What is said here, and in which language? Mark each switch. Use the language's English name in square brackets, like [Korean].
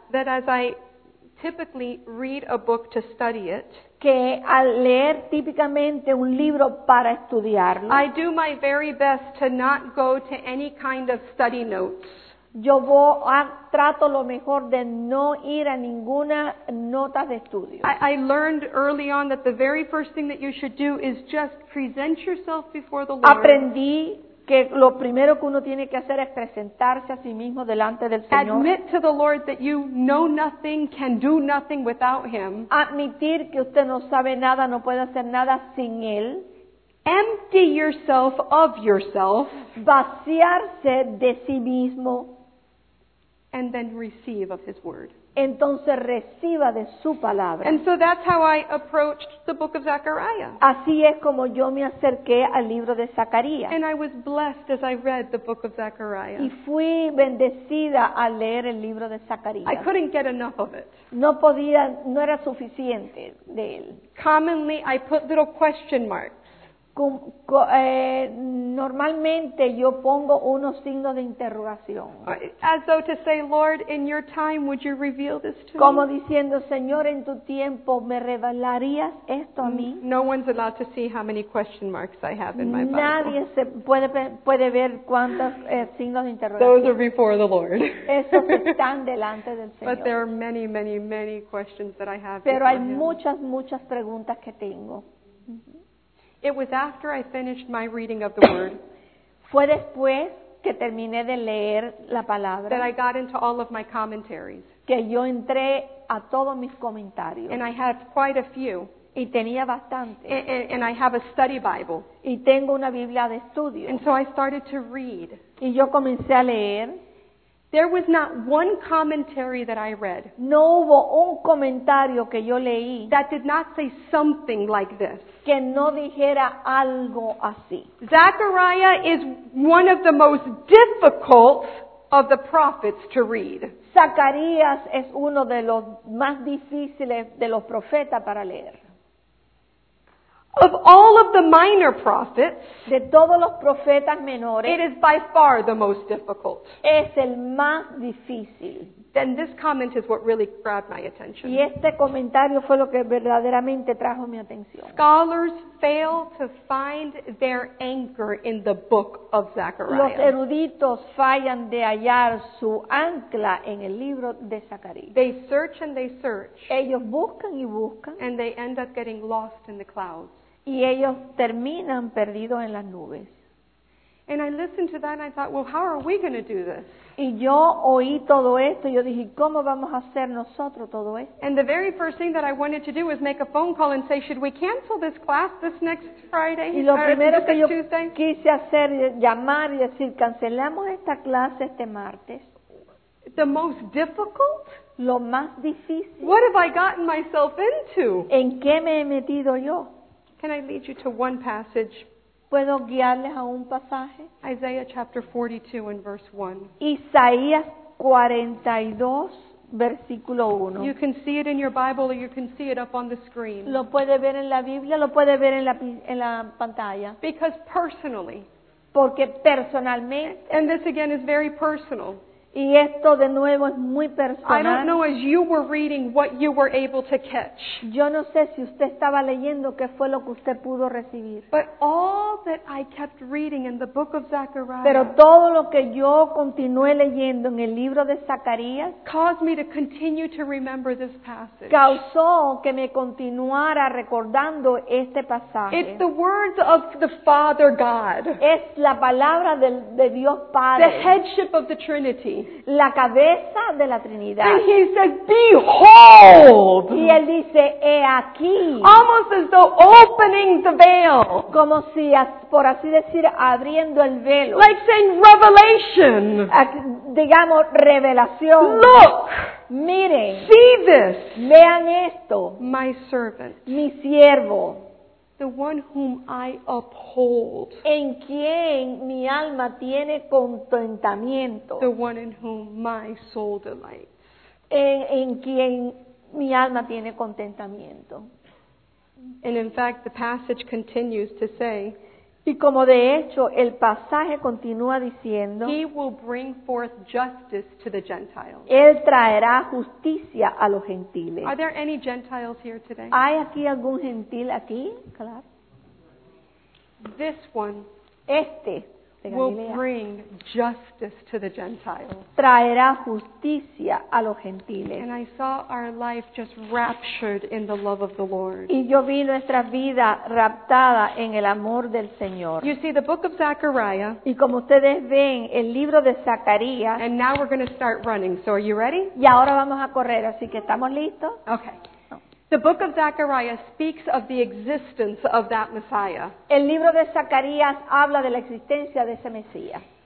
[English] That as I typically read a book to study it. [Spanish] Que al leer típicamente un libro para estudiarlo. [English] I do my very best to not go to any kind of study notes. [Spanish] Yo trato lo mejor de no ir a ninguna nota de estudio. [English] I learned early on that the very first thing that you should do is just present yourself before the Lord. [Spanish] Aprendí que lo primero que uno tiene que hacer es presentarse a sí mismo delante del Señor. [English] Admit to the Lord that you know nothing, can do nothing without Him. [Spanish] Admitir que usted no sabe nada, no puede hacer nada sin Él. [English] Empty yourself of yourself. [Spanish] Vaciarse de sí mismo. [English] And then receive of His word. [Spanish] Entonces reciba de su palabra. [English] And so that's how I approached the book of Zechariah. [Spanish] Así es como yo me acerqué al libro de Zacarías. [English] And I was blessed as I read the book of Zechariah. [Spanish] Y fui bendecida al leer el libro de Zacarías. [English] I couldn't get enough of it. [Spanish] No era suficiente de él. [English] Commonly, I put little question marks. [Spanish] Normalmente yo pongo unos signos de interrogación. [English] As though to say, Lord, in your time, would you reveal this to me? [Spanish] Como diciendo, Señor, en tu tiempo, ¿me revelarías esto a mí? [English] No one's allowed to see how many question marks I have in my Bible. [Spanish] Nadie se puede ver cuántos signos de interrogación. [English] Those are before the Lord. [Spanish] Esos están delante del Señor. [English] But there are many, many, many questions that I have. [Spanish] Pero hay muchas preguntas que tengo. [English] It was after I finished my reading of the word. [Spanish] Fue después que terminé de leer la palabra. [English] That I got into all of my commentaries. [Spanish] Que yo entré a todos mis comentarios. [English] And I have quite a few. [Spanish] Y tenía bastante. [English] And I have a study Bible. [Spanish] Y tengo una Biblia de estudio. [English] And so I started to read. [Spanish] Y yo comencé a leer. [English] There was not one commentary that I read. [Spanish] No hubo un comentario que yo leí. [English] That did not say something like this. [Spanish] Que no dijera algo así. [English] Zechariah is one of the most difficult of the prophets to read. [Spanish] Zacarías es uno de los más difíciles de los profetas para leer. [English] Of all of the minor prophets, [Spanish] de todos los profetas menores, [English] it is by far the most difficult. [Spanish] Es el más difícil. [English] Then this comment is what really grabbed my attention. [Spanish] Y este comentario fue lo que verdaderamente trajo mi atención. [English] Scholars fail to find their anchor in the book of Zechariah. [Spanish] Los eruditos fallan de hallar su ancla en el libro de Zacarías. [English] They search and they search. [Spanish] Ellos buscan y buscan. [English] And they end up getting lost in the clouds. [Spanish] Y ellos terminan perdidos en las nubes. [English] And I listened to that and I thought, well, how are we going to do this? [Spanish] Y yo oí todo esto y yo dije, ¿cómo vamos a hacer nosotros todo esto? [English] And the very first thing that I wanted to do was make a phone call and say, should we cancel this class this next Friday? [Spanish] Y lo primero que yo quise hacer es llamar y decir, ¿cancelamos esta clase este martes? [English] The most difficult? [Spanish] Lo más difícil. [English] What have I gotten myself into? [Spanish] ¿En qué me he metido yo? [English] Can I lead you to one passage? [Spanish] ¿Puedo guiarles a un pasaje? [English] Isaiah chapter 42 and verse 1. [Spanish] Isaías 42, versículo 1. [English] You can see it in your Bible or you can see it up on the screen. [Spanish] Lo puede ver en la Biblia, lo puede ver en la pantalla. [English] Because personally. [Spanish] Porque personalmente. [English] And this again is very personal. [Spanish] Y esto de nuevo es muy personal. [English] I don't know as you were reading what you were able to catch. [Spanish] Yo no sé si usted estaba leyendo qué fue lo que usted pudo recibir. [English] But all that I kept reading in the book of Zechariah. [Spanish] Pero todo lo que yo continué leyendo en el libro de Zacarías [English] caused me to continue to remember this passage. [Spanish] Causó que me continuara recordando este pasaje. [English] It's the words of the Father God. [Spanish] Es la palabra de Dios Padre. [English] The headship of the Trinity. [Spanish] La cabeza de la Trinidad. [English] And he says, behold. [Spanish] Y él dice, he aquí. [English] Almost as though opening the veil. [Spanish] Como si, por así decir, abriendo el velo. [English] Like saying revelation. [Spanish] Digamos, revelación. [English] Look. [Spanish] Miren. [English] See this. [Spanish] Vean esto. [English] My servant. [Spanish] Mi siervo. [English] The one whom I uphold. [Spanish] En quien mi alma tiene contentamiento. [English] The one in whom my soul delights. [Spanish] En quien mi alma tiene contentamiento. [English] And in fact, the passage continues to say. [Spanish] Y como de hecho, el pasaje continúa diciendo. [English] He will bring forth justice to the Gentiles. [Spanish] Él traerá justicia a los gentiles. [English] Are there any Gentiles here today? [Spanish] ¿Hay aquí algún gentil aquí? Claro. [English] This one. [Spanish] Este. [English] Will bring justice to the Gentiles. [Spanish] Traerá justicia a los gentiles. [English] And I saw our life just raptured in the love of the Lord. [Spanish] Y yo vi nuestra vida raptada en el amor del Señor. [English] You see the book of Zechariah. [Spanish] Y como ustedes ven el libro de Zacarías. [English] And now we're going to start running. So are you ready? [Spanish] Y ahora vamos a correr, así que estamos listos. [English] Okay. The book of Zechariah speaks of the existence of that Messiah. [Spanish] El libro de Zacarías habla de la existencia de ese Mesías.